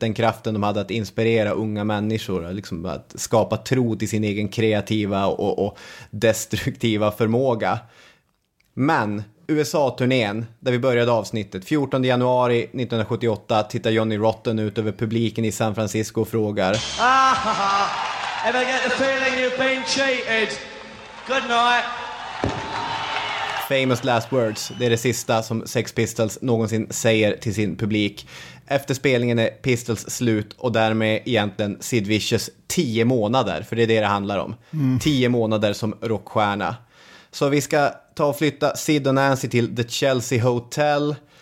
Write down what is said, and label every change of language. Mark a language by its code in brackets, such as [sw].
[sv] Den kraften de hade att inspirera unga människor. Liksom att skapa tro till sin egen kreativa och destruktiva förmåga. Men USA-turnén, där vi började avsnittet. 14 januari 1978 tittar Johnny Rotten ut över publiken i San Francisco och frågar. [en] If I get the feeling you've been cheated, good night. Famous last words. [sv] Det är det sista som Sex Pistols någonsin säger till sin publik. Efter spelningen är Pistols slut och därmed egentligen Sid Vicious 10 månader. För det är det handlar om. Mm. 10 månader som rockstjärna. Så vi ska ta och flytta Sid och Nancy till The Chelsea Hotel.